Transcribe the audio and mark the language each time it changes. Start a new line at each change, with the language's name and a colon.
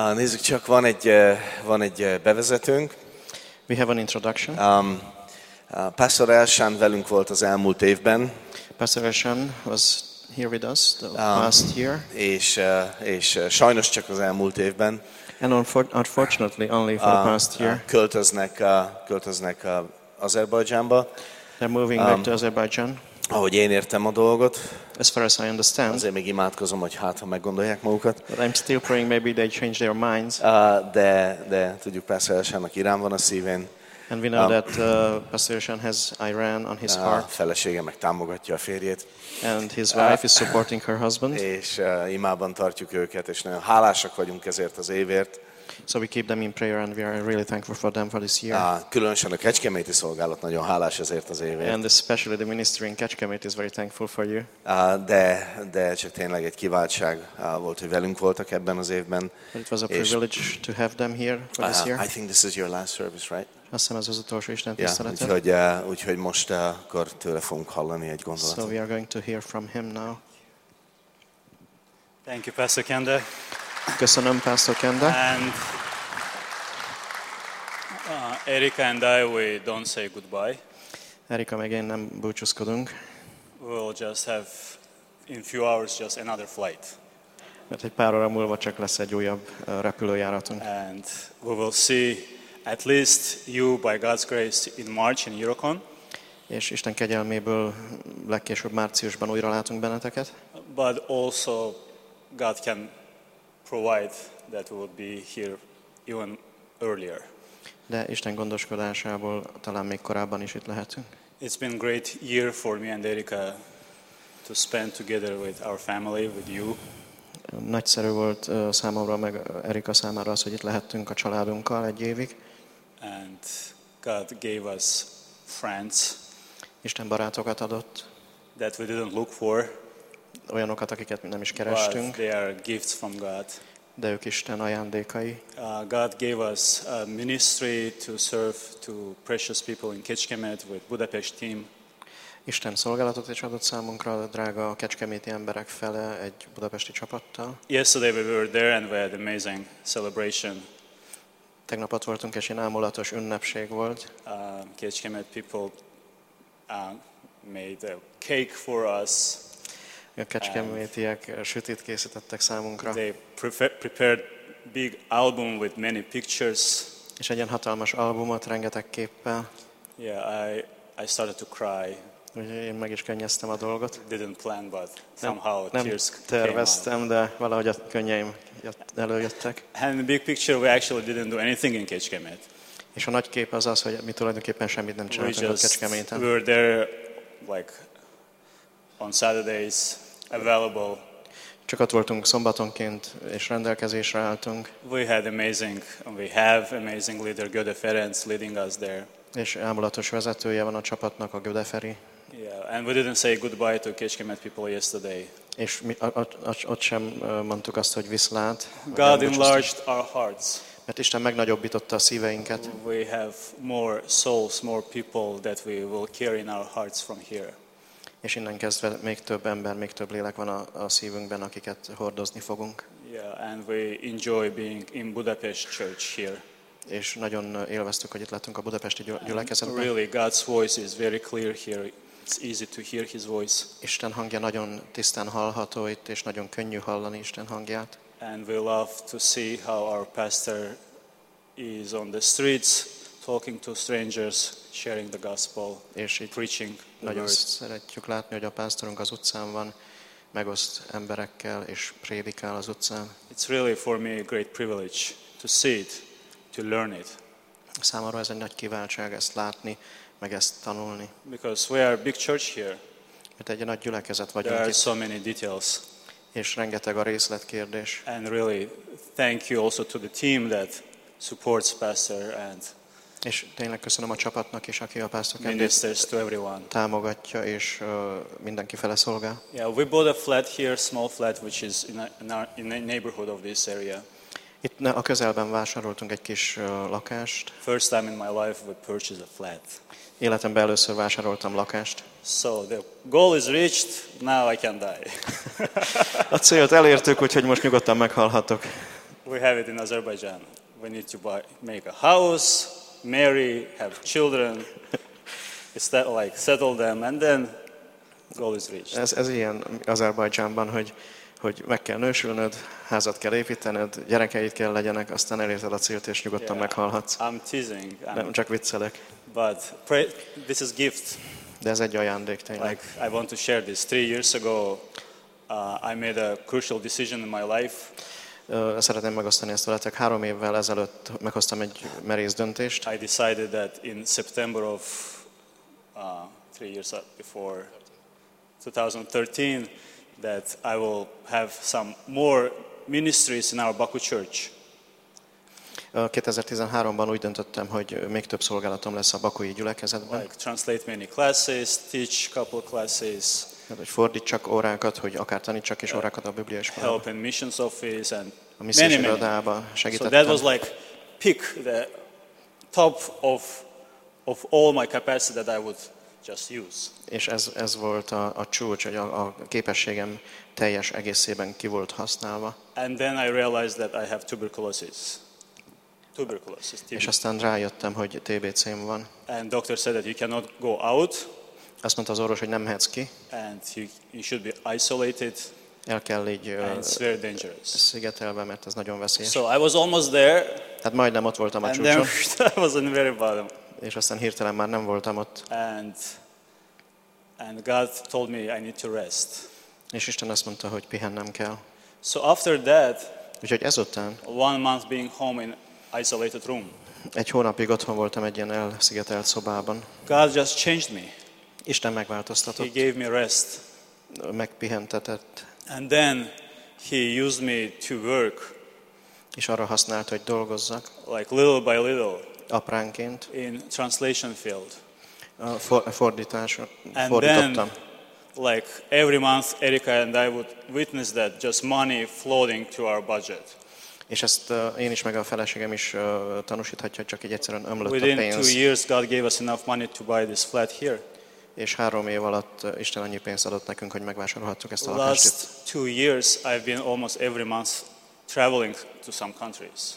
Hungarian: Nézzük csak, van egy bevezetőnk.
English: We have an introduction.
Hungarian: Pastor Elshan velünk volt az elmúlt évben.
English: Pastor Elshan was here with us the last year.
Hungarian: És sajnos csak az elmúlt évben.
English: And unfortunately only for the past year.
Hungarian: Költöznek Azerbajdzsánba.
English: They're moving back to Azerbaijan.
Hungarian: Ahogy én értem a dolgot.
English: As far as I understand.
Hungarian: Azért még imádkozom, hogy hát, ha meggondolják magukat.
English: But I'm still praying maybe they change their minds.
Hungarian: De tudjuk persze, hogy Elshannak Irán van a szívén.
English: And we know that Pastor Elshan has Iran on his heart.
Hungarian: A felesége meg támogatja a férjét.
English: And his wife is supporting her husband.
Hungarian: És imában tartjuk őket, és nagyon hálásak vagyunk ezért az évért.
English: So we keep them in prayer and we are really thankful for them for this year.
Hungarian: Különösen a Kecskeméti szolgálat nagyon hálás ezért az évért.
English: And especially the ministry in Kecskemét is very thankful for you.
Hungarian: De csak tényleg egy kiváltság volt, hogy velünk voltak ebben az évben.
English: But it was a privilege to have them here for this year. I think this is your last service, right?
Hungarian: Azt hiszem, ez az utolsó Isten tiszteleted. Úgyhogy most akkor tőle fogunk hallani egy gondolatot.
English: So we are going to hear from him now. Thank you, Pastor Kende.
Hungarian: Köszönöm, Pastor Kende.
English: And Erika and I, we don't say goodbye.
Hungarian: Erika meg én nem búcsúzkodunk.
English: We'll just have in few hours just another flight.
Hungarian: Mert egy pár óra múlva csak lesz egy újabb repülőjáratunk.
English: And we will see at least you by God's grace in March in Eurocon.
Hungarian: És Isten kegyelméből legkésőbb márciusban újra látunk benneteket.
English: But also God can provide that we would be here even earlier.
Hungarian: De Isten gondoskodásából talán még korábban is itt lehetünk.
English: It's been a great year for me and Erika to spend together with our family, with you.
Hungarian: Nagyszerű volt számomra meg Erika számára az, hogy itt lehettünk a családunkkal egy évig.
English: And God gave us friends.
Hungarian: Isten barátokat adott.
English: That we didn't look for.
Hungarian: Olyanokat, akiket mi nem is kerestünk.
English: But they are gifts from God.
Hungarian: De ők Isten ajándékai.
English: God gave us a ministry to serve to precious people in Kecskemét with Budapest team.
Hungarian: Isten szolgálatot is adott számunkra a drága kecskeméti emberek fele egy budapesti csapattal.
English: Yesterday we were there and we had an amazing celebration.
Hungarian: Tegnap ott voltunk és egy álmulatos ünnepség volt.
English: Kecskemét people made a cake for us.
Hungarian: A kecskemétiek sütit készítettek számunkra.
English: They prepared big album with many pictures.
Hungarian: És egy ilyen hatalmas albumot rengeteg képpel.
English: Yeah, I started to cry.
Hungarian: Én meg is könnyeztem a dolgot.
English: Didn't plan, but somehow
Hungarian: nem
English: tears
Hungarian: terveztem,
English: came
Hungarian: de valahogy a könnyeim előjöttek.
English: And the big picture, we actually didn't do anything in Kecskemét.
Hungarian: És a nagy kép az az, hogy mi tulajdonképpen semmit nem csináltunk a Kecskeméten.
English: We were there like on Saturdays available.
Hungarian: Csak ott voltunk szombatonként és rendelkezésre álltunk.
English: We had amazing, we have amazing leader Göde Ferenc leading us there.
Hungarian: És álmulatos vezetője van a csapatnak, a Göde Feri.
English: Yeah, and we didn't say goodbye to Kecskemét people yesterday.
Hungarian: És mi ott sem mondtuk azt, hogy viszlát.
English: God enlarged our hearts.
Hungarian: Mert Isten megnagyobbította a szíveinket.
English: We have more souls, more people that we will carry in our hearts from here.
Hungarian: És innen kezdve még több ember, még több lélek van a szívünkben, akiket hordozni fogunk.
English: Yeah, and we enjoy being in Budapest church here.
Hungarian: És nagyon élveztük, hogy itt lettünk a budapesti gyülekezetben.
English: And really, God's voice is very clear here. It's easy to hear His voice.
Hungarian: Isten hangja nagyon tisztán hallható itt, és nagyon könnyű hallani Isten hangját.
English: And we love to see how our pastor is on the streets, talking to strangers, sharing the gospel,
Hungarian: és
English: preaching.
Hungarian: Nagyon szeretjük látni, hogy a pásztorunk az utcán van, megoszt emberekkel és prédikál az utcán.
English: It's really for me a great privilege to see it, to learn it.
Hungarian: Számomra ez egy nagy kiváltság ezt látni, meg ezt tanulni.
English: Because we are a big church here.
Hungarian: Mert egy nagy gyülekezet vagyunk.
English: There are so many details.
Hungarian: És rengeteg a részletkérdés.
English: And really thank you also to the team that supports Pastor and
Hungarian: és tényleg köszönöm a csapatnak is, aki a pásztor kedvét támogatja, és mindenki fele szolgál.
English: Yeah, we bought a flat here, small flat, which is in a neighborhood of this area.
Hungarian: Itt a közelben vásároltunk egy kis lakást.
English: First time in my life we purchased a flat.
Hungarian: Életemben először vásároltam lakást.
English: So the goal is reached, now I can die.
Hungarian: A célt elértük, úgyhogy most nyugodtan meghalhatok.
English: We have it in Azerbaijan. We need to buy, make a house, marry, have children. It's that like settle them and then goal is reached.
Hungarian: Ez ilyen Azerbaijanban, hogy meg kell nősülnöd, házat kell építened, gyerekeid kell legyenek, aztán elérted a célt és nyugodtan yeah, meghalhatsz.
English: I'm teasing.
Hungarian: Nem csak viccelek.
English: But pray, this is gift.
Hungarian: De ez egy ajándék tényleg.
English: Like I want to share this. 3 years ago, I made a crucial decision in my life.
Hungarian: Szeretném megosztani ezt veletek. 3 évvel ezelőtt meghoztam egy merész döntést.
English: I decided that in September of 3 years before 2013 that I will have some more ministries in our Baku church.
Hungarian: 2013-ban úgy döntöttem, hogy még több szolgálatom lesz a bakui gyülekezetben.
English: Like translate many classes, teach couple classes.
Hungarian: Hogy fordítsak órákat, hogy akár tanítsak is órákat a Biblia iskolában.
English: Help in missions office and many many. So that was like pick the top of all my capacity that I would just use.
Hungarian: És ez volt a csúcs, hogy a képességem teljes egészében ki volt használva.
English: And then I realized that I have tuberculosis.
Hungarian: És aztán rájöttem, hogy TBC-m van.
English: And doctor said that you cannot go out.
Hungarian: Azt mondta az orvos, hogy nem mehetsz ki.
English: And you should be isolated.
Hungarian: El kell így szigetelve, mert ez nagyon veszélyes.
English: So I was almost there.
Hungarian: Hát majdnem ott voltam a csúcson.
English: And then I was in the very bottom.
Hungarian: És aztán hirtelen már nem voltam ott.
English: And God told me I need to rest.
Hungarian: És Isten azt mondta, hogy pihennem kell.
English: So after that.
Hungarian: Úgyhogy ezután.
English: One month being home in isolated room.
Hungarian: Egy hónapig otthon voltam egy ilyen elszigetelt szobában.
English: God just changed me.
Hungarian: Isten megváltoztatott.
English: He gave me rest.
Hungarian: Megpihentetett.
English: And then he used me to work.
Hungarian: És arra használt, hogy dolgozzak.
English: Like little by little.
Hungarian: Apránként.
English: In translation field.
Hungarian: Fordításon.
English: And
Hungarian: fordítottam.
English: Then, like every month, Erika and I would witness that just money flowing to our budget.
Hungarian: És ezt én is meg a feleségem is tanúsíthatja, hogy csak így egyszerűen ömlött
English: within
Hungarian: a pénz.
English: Within 2 years, God gave us enough money to buy this flat here.
Hungarian: És 3 év alatt Isten annyi pénzt adott nekünk, hogy megvásárolhattuk ezt a lakást.
English: Last 2 years, I've been almost every month traveling to some countries.